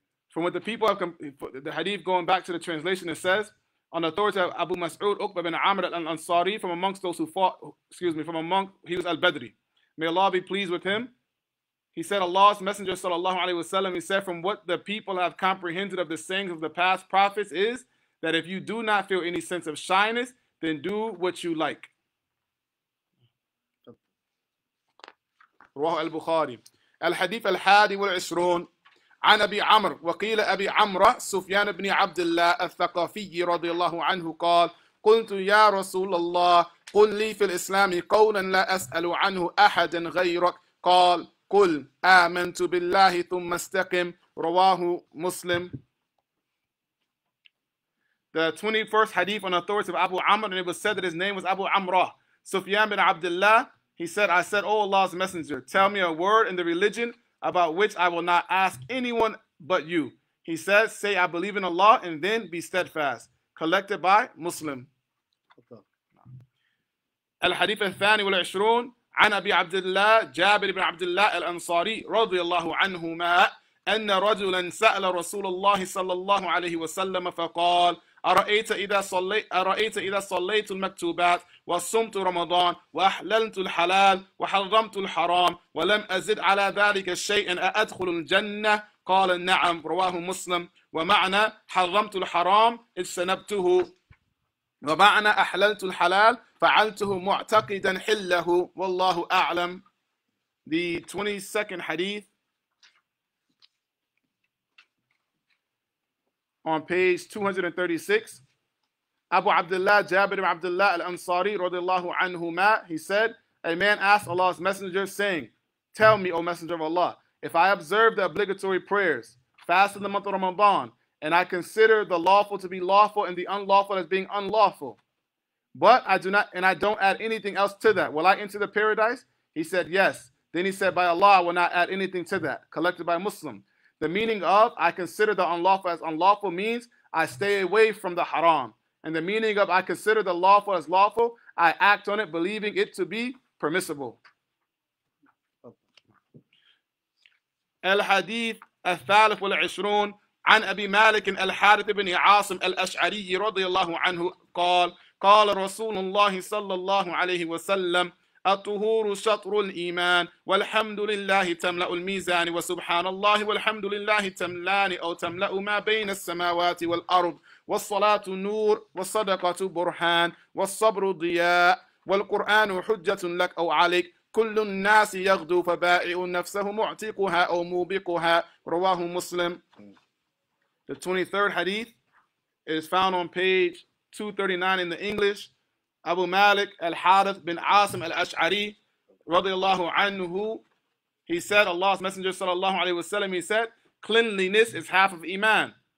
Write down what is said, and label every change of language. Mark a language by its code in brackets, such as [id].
[en] From what the people have, the hadith going back to the translation, it says, on authority of Abu Mas'ud, Uqba bin Amr al-Ansari, from amongst those who fought, he was al-Badri. May Allah be pleased with him. He said, Allah's Messenger, sallallahu alayhi wasallam, he said, from what the people have comprehended of the sayings of the past prophets is, that if you do not feel any sense of shyness, then do what you like. [ar] رواه البخاري. الحديث الحادي والعشرون عن أبي عمرو وقيل أبي عمرو سفيان بن عبد الله الثقفي رضي الله عنه قال قلت يا رسول الله قل لي في الإسلام قولا لا أسأل عنه أحدا غيرك قال قل آمنت بالله ثم استقم رواه مسلم. [en] The 21st hadith on authority of Abu Amr, and it was said that his name was Abu Amra. Sufyan bin Abdullah, he said, I said, O Allah's Messenger, tell me a word in the religion about which I will not ask anyone but you. He said, say, I believe in Allah, and then be steadfast. Collected by Muslim. [ar] Al-Hadith al-Thani wal-Ishroon, عن أبي عبد الله جابر بن عبد الله الأنصاري رضي الله عنهما أن رجلا سأل رسول الله صلى الله عليه وسلم فقال أرأيت إذا صليت المكتوبات وصمت رمضان وأحللت الحلال وحرمت الحرام ولم أزد على ذلك شيئا أأدخل الجنة؟ قال نعم رواه مسلم. ومعنى حرمت الحرام اجتنبته، ومعنى أحللت الحلال فعلته معتقدا حله والله أعلم. [en] The 22nd hadith on page 236, Abu Abdullah Jabir ibn Abdullah al-Ansari radiallahu anhuma, he said, a man asked Allah's messenger saying, tell me, O messenger of Allah, if I observe the obligatory prayers, fast in the month of Ramadan, and I consider the lawful to be lawful and the unlawful as being unlawful, but I do not, and I don't add anything else to that, will I enter the paradise? He said, yes. Then he said, by Allah, I will not add anything to that. Collected by Muslim. The meaning of I consider the unlawful as unlawful means I stay away from the haram. And the meaning of I consider the lawful as lawful, I act on it believing it to be permissible. [ar] Al-Hadith al-Thalith wal-Ishroon عن أبي مالك الحارث بن عاصم الأشعري رضي الله عنه قال قال رسول الله صلى الله عليه وسلم الطهور شطر الإيمان والحمد لله تملأ الميزان وسبحان الله والحمد لله تملان أو تملأ ما بين السماوات والأرض والصلاة نور والصدقة برهان والصبر ضياء والقرآن حجة لك أو عليك كل الناس يغدو فبائع نفسه معتقها أو موبقها رواه مسلم. [en] The 23rd hadith is found on page 239 in the English. Abu Malik al-Harith bin Asim al-Ash'ari radiallahu anhu, he said, Allah's Messenger sallallahu alayhi wasallam, he said, cleanliness is half of iman.